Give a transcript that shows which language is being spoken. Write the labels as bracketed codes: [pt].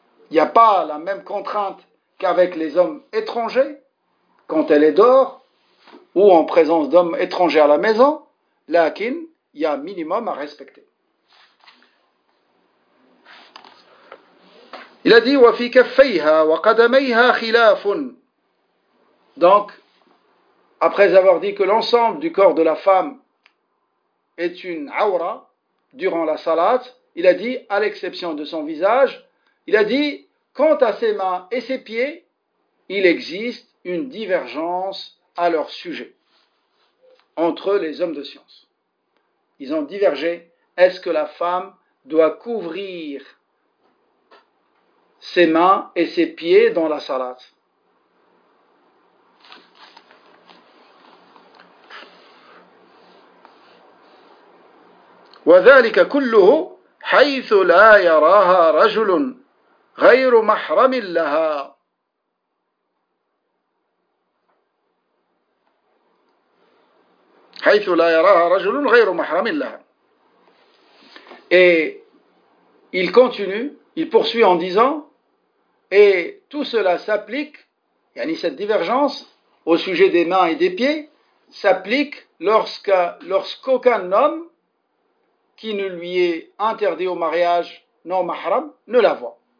[fr] Il n'y a pas la même contrainte qu'avec les hommes étrangers, quand elle est dehors, ou en présence d'hommes étrangers à la maison, lakin, il y a un minimum à respecter. Il a dit, [ar] وَفِي كَفَّيْهَا وَقَدَمَيْهَا خِلَافٌ. [fr] Donc, après avoir dit que l'ensemble du corps de la femme est une aura durant la salat, il a dit, à l'exception de son visage, il a dit, quant à ses mains et ses pieds, il existe une divergence à leur sujet entre les hommes de science. Ils ont divergé. Est-ce que la femme doit couvrir ses mains et ses pieds dans la salat? [ar] وذلك كله حيث لا يراها رجل غير محرم لها. حيث لا يراها رجل غير محرم لها. [fr] Et il continue, il poursuit en disant, et tout cela s'applique, yani cette divergence au sujet des mains et des pieds s'applique lorsqu'aucun homme qui ne lui est interdit au mariage non mahram, ne la voit.